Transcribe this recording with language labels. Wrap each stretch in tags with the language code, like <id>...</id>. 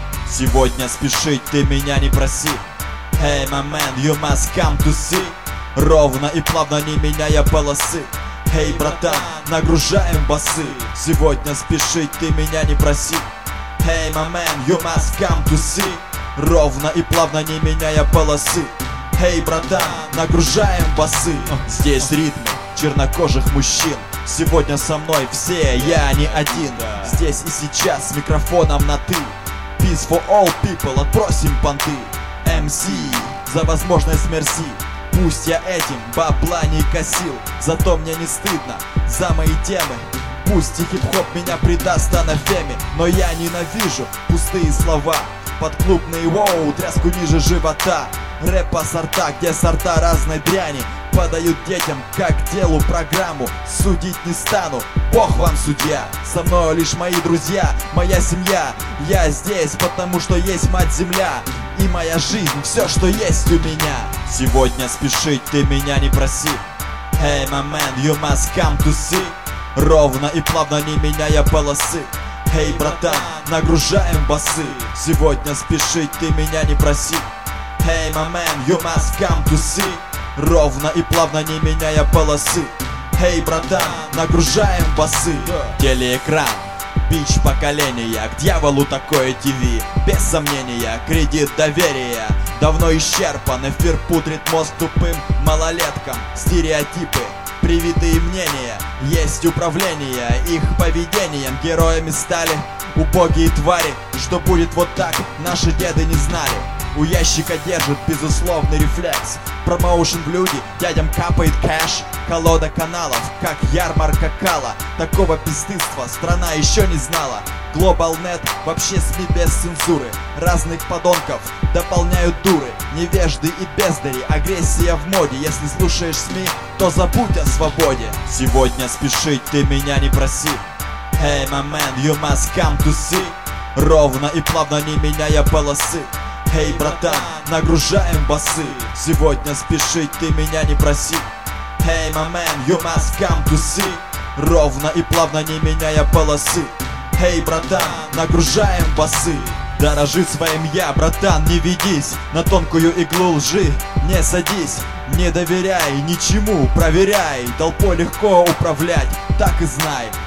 <ru>Сегодня спешить ты меня не проси.</ru> <en>Hey my man, you must come to see.</en> <ru>Ровно и плавно не меняя полосы. Hey братан, нагружаем басы. Сегодня спешить ты меня не проси.</ru> <en>Hey my man, you must come to see.</en> <ru>Ровно и плавно не меняя полосы. Hey братан, нагружаем басы. Здесь ритм чернокожих мужчин. Сегодня со мной все, я не один. Здесь и сейчас с микрофоном на ты.</ru> <en>Peace for all people,</en> <ru>отпросим понты. MC, за возможность мерси. Пусть я этим бабла не косил, зато мне не стыдно за мои темы. Пусть и хип-хоп меня предаст анафеме. Но я ненавижу пустые слова. Под клубный воу, тряску ниже живота. Рэпа сорта, где сорта разной дряни. Подают детям, как делу программу. Судить не стану, бог вам судья. Со мной лишь мои друзья, моя семья. Я здесь, потому что есть мать земля. И моя жизнь, все, что есть у меня. Сегодня спешить ты меня не проси.</ru> <en>Hey my man, you must come to see.</en> <ru>Ровно и плавно не меняя полосы. Hey братан, нагружаем басы. Сегодня спешить ты меня не проси.</ru> <en>Hey my man, you must come to see.</en> <ru>Ровно и плавно не меняя полосы. Hey братан, нагружаем басы. Телеэкран, бич поколения. К дьяволу такое ТВ. Без сомнения, кредит доверия давно исчерпан. Эфир пудрит мозг тупым малолеткам. Стереотипы, привитые мнения. Есть управление их поведением. Героями стали убогие твари. Что будет вот так, наши деды не знали. У ящика держит безусловный рефлекс. Промоушен в люди, дядям капает кэш. Колода каналов, как ярмарка кала. Такого пиздынства страна еще не знала. Глобалнет, вообще СМИ без цензуры. Разных подонков дополняют дуры. Невежды и бездари, агрессия в моде. Если слушаешь СМИ, то забудь о свободе. Сегодня спешить ты меня не проси.</ru> <en>Hey my man, you must come to see.</en> <ru>Ровно и плавно не меняя полосы. Hey братан, нагружаем басы. Сегодня спешить ты меня не проси.</ru> <en>Hey my man, you must come to see.</en> <ru>Ровно и плавно не меняя полосы. Hey братан, нагружаем басы. Дорожи своим я, братан, не ведись. На тонкую иглу лжи не садись. Не доверяй ничему, проверяй. Толпой легко управлять, так и знай.</ru>